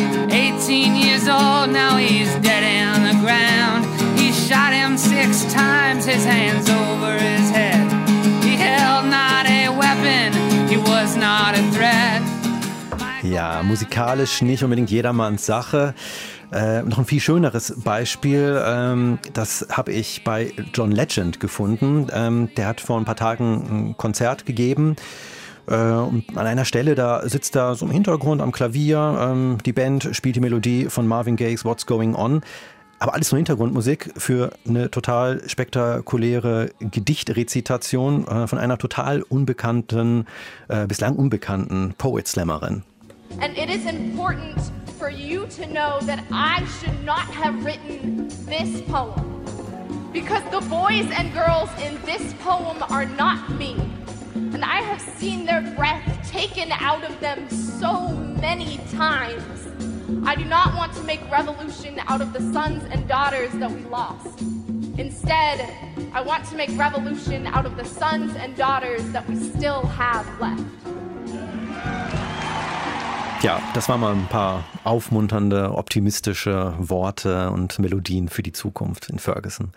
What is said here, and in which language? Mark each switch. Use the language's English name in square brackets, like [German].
[English] 18 years old, now he's dead on the ground. Shot him 6 times, his hands over his head. He held not a weapon, he was not a threat. [German] Ja, musikalisch nicht unbedingt jedermanns Sache. Noch ein viel schöneres Beispiel, das habe ich bei John Legend gefunden. Der hat vor ein paar Tagen ein Konzert gegeben. Und an einer Stelle, da sitzt er so im Hintergrund am Klavier. Die Band spielt die Melodie von Marvin Gaye's What's Going On. Aber alles nur Hintergrundmusik für eine total spektakuläre Gedichtrezitation von einer total unbekannten, bislang unbekannten Poet-Slammerin. [English] And it is important for you to know that I should not have written this poem. Because the boys and girls in this poem are not me. And I have seen their breath taken out of them so many times. I do not want to make revolution out of the sons and daughters that we lost. Instead, I want to make revolution out of the sons and daughters that we still have left. [German] Ja, das waren mal ein paar aufmunternde, optimistische Worte und Melodien für die Zukunft in Ferguson.